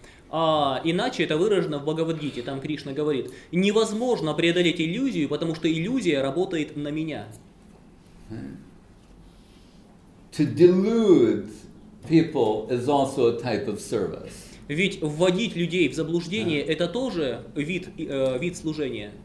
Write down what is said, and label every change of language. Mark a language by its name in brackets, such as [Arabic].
[Russian] А иначе это выражено в Бхагавад-гите. Там Кришна говорит: невозможно преодолеть иллюзию, потому что иллюзия работает на меня. [English] To delude people is also a type of service. [Russian] Ведь вводить людей в заблуждение это тоже вид служения.